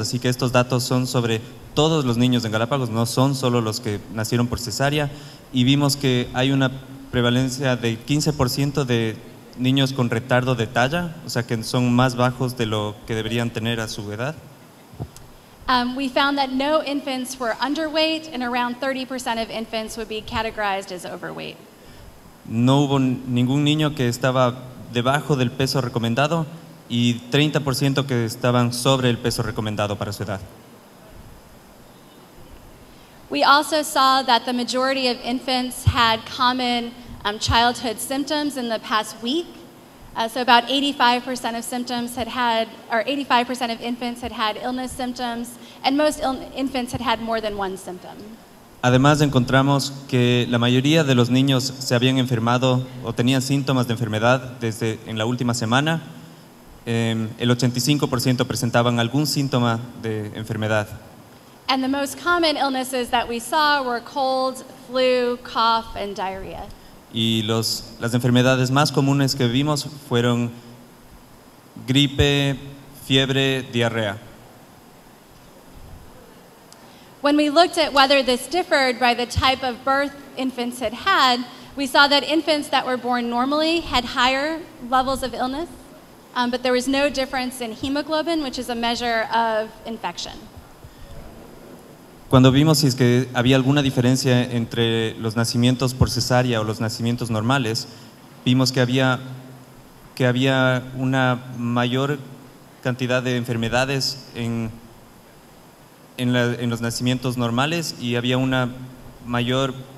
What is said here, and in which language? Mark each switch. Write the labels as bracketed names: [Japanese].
[Spanish] Así que estos datos son sobre todos los niños en Galápagos, no son solo los que nacieron por cesárea. Y vimos que hay una prevalencia de 15% de niños con retardo de talla, o sea que son más bajos de lo que deberían tener a su edad. [English] We found that no infants were underweight, and around 30% of infants would be categorized as overweight. [Spanish] No hubo ningún niño que estaba debajo del peso recomendado, y 30% que estaban sobre el peso recomendado para su edad. [English] We also saw that the majority of infants had common childhood symptoms in the past week. So about 85% of symptoms had had, or 85% of infants had had illness symptoms, and most infants had had more than one symptom. [Spanish] Además, encontramos que la mayoría de los niños se habían enfermado o tenían síntomas de enfermedad desde en la última semana. El 85% presentaban algún síntoma de enfermedad. [English] And the most common illnesses that we saw were cold, flu, cough, and diarrhea. [Spanish] Y las enfermedades más comunes que vimos fueron gripe, fiebre, diarrea. [English] When we looked at whether this differed by the type of birth infants had had, we saw that infants that were born normally had higher levels of illness, but there was no difference in hemoglobin, which is a measure of infection. [Spanish] Cuando vimos si es que había alguna diferencia entre los nacimientos por cesárea o los nacimientos normales, vimos que había una mayor cantidad de enfermedades en los nacimientos normales y había una mayor